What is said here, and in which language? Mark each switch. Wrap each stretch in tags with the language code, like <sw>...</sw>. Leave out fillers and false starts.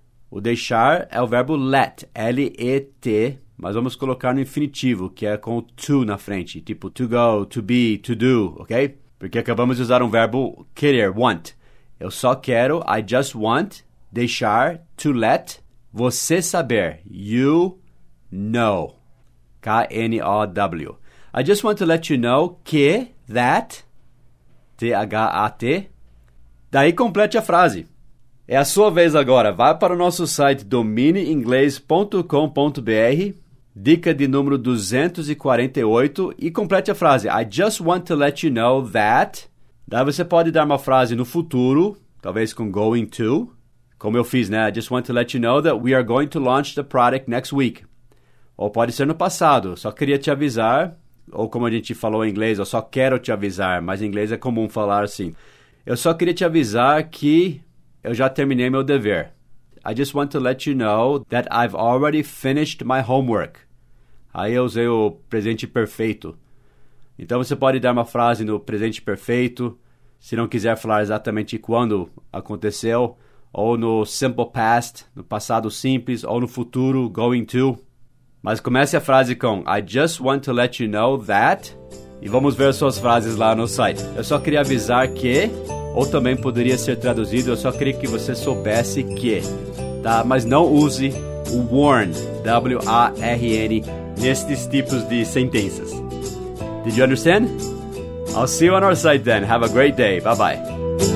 <pt>O deixar é o verbo let, L-E-T, mas vamos colocar no infinitivo, que é com o to na frente, tipo to go, to be, to do, ok? Porque acabamos de usar um verbo querer, want. Eu só quero,</pt> <en>I just want,</en> <pt>deixar,</pt> <en>to let,</en> <pt>você saber.</pt> <en>You know. K-N-O-W. I just want to let you know</en> <pt>que,</pt> <en>that, T-H-A-T,</en> <pt>daí complete a frase. É a sua vez agora. Vá para o nosso site dominieinglês.com.br, dica de número 248, e complete a frase.</pt> <en>I just want to let you know that.</en> <pt>Daí você pode dar uma frase no futuro, talvez com going to, como eu fiz, né?</pt> <en>I just want to let you know that we are going to launch the product next week.</en> <pt>Ou pode ser no passado. Só queria te avisar. Ou como a gente falou em inglês, eu só quero te avisar. Mas em inglês é comum falar assim. Eu só queria te avisar que eu já terminei meu dever.</pt> <en>I just want to let you know that I've already finished my homework.</en> <pt>Aí eu usei o presente perfeito. Então você pode dar uma frase no presente perfeito, se não quiser falar exatamente quando aconteceu, ou no simple past, no passado simples, ou no futuro, going to. Mas comece a frase com</pt> <en>I just want to let you know that.</en> <pt>E vamos ver suas frases lá no site. Eu só queria avisar que, ou também poderia ser traduzido, eu só queria que você soubesse que, tá? Mas não use o warn, W-A-R-N, nestes tipos de sentenças.</pt> <en>Did you understand? I'll see you on our site then. Have a great day. Bye-bye.</en>